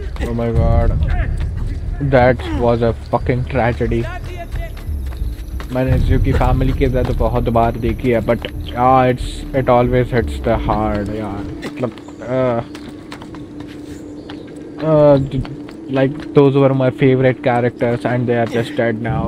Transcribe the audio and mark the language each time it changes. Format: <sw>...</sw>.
<en>Oh my god, that was a fucking tragedy.</en> <hi>मैंने जियो की family के साथ बहुत बार देखी है</hi> <en>but it always hits the hard</en> <hi>यार. मतलब</hi> <en>like those were my favorite characters and they are just dead now.</en>